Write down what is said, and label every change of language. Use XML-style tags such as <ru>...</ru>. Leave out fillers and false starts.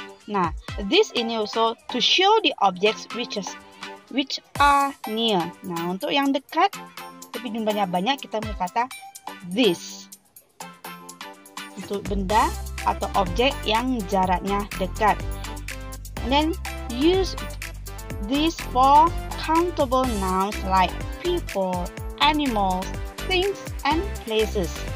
<en>Nah, this ini also to show the objects which are near.</en> <id>Nah, untuk yang dekat tapi jumlahnya banyak, kita berkata this. Untuk benda atau objek yang jaraknya dekat.</id> <en>And then use this for countable nouns like people, animals, things, and places.</en>